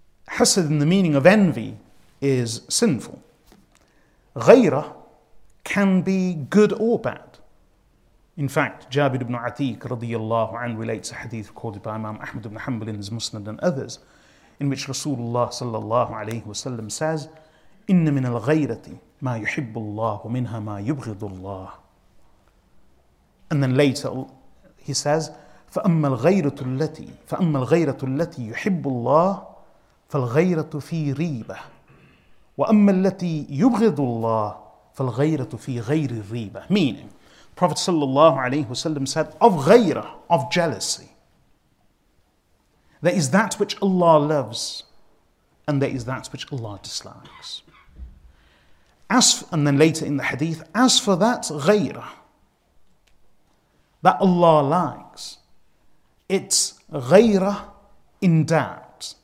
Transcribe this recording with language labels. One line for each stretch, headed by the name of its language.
English: Hasad in the meaning of envy is sinful. Ghayra can be good or bad. In fact, Jabir ibn Atiq radiyallahu anhu relates a hadith recorded by Imam Ahmad ibn Hanbal in his Musnad and others, in which Rasulullah sallallahu alayhi wa sallam says,
Arabic: إِنَّ مِنَ الْغَيْرَةِ مَا يُحِبُّ اللَّهُ وَمِنْهَا مَا يُبْغِضُ اللَّهُ.
English: And then later he says,
Arabic: فَأَمَّا الْغَيْرَةُ الَّتِي يُحِبُّ اللَّهُ فالغيرة في ريبة وأما التي يبغض الله فالغيرة في غير الريبة.
English: Meaning, Prophet sallallahu alayhi wasallam said, of ghayra, of jealousy, there is that which Allah loves and there is that which Allah dislikes. And then later in the hadith, as for that ghayra that Allah likes, it's ghayra in doubt.